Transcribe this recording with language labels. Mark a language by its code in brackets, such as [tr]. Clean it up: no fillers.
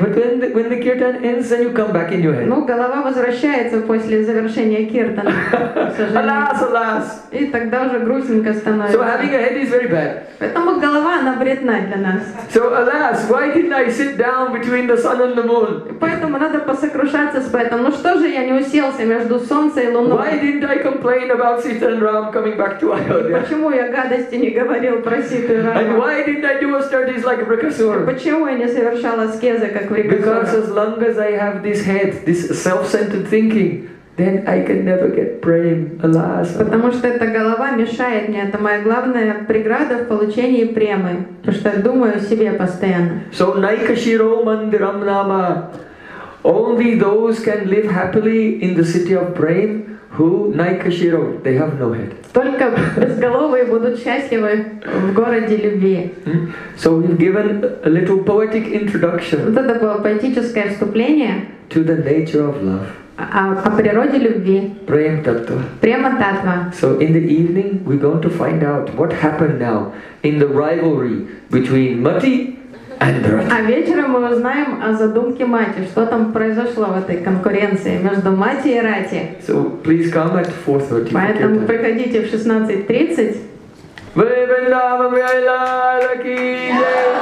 [en] But when the kirtan ends, then you come back in your head. [ru] Ну, голова возвращается после завершения киртана, к сожалению. [en] Alas, alas. [ru] И тогда уже грустненько становится. [en] So having a head is very bad. [ru] Поэтому голова, она вредна для нас. [en] So, alas, why didn't I sit down between the sun and the moon? [ru] Поэтому надо посокрушаться с поэтом. Ну что же я не уселся между солнцем и луной? [en] Why didn't I complain about Sita and Ram coming back to Ayodhya? [ru] Почему я гадости не говорил про Ситу и Раму? [en] And why didn't I do austerities like Vrikasura? [ru] Почему я не совершал аскезы, как Врикасура? [en] Because as long as I have this head, this self-centered thinking, then I can never get prem, alas. [ru] Потому что эта голова мешает мне, это моя главная преграда в получении премы, потому что я думаю о себе постоянно. [en] So Naikashiro Mandiram Nama, only those can live happily in the city of prem who Naikashiro, they have no head. [ru] Только безголовые будут счастливы в городе любви. [en] So we've given a little poetic introduction. [ru] Вот это было поэтическое вступление. [en] To the nature of love. [ru] О природе любви. Према-таттва. Према-таттва. [en] So in the evening we're going to find out what happened now in the rivalry between Mati and Bharata. [ru] А вечером мы узнаем о задумке Мати, что там произошло в этой конкуренции между Мати и Рати. [en] So please come at 4:30. [ru] Поэтому приходите в 16:30. Вы Вриндаван Вайла Лакия.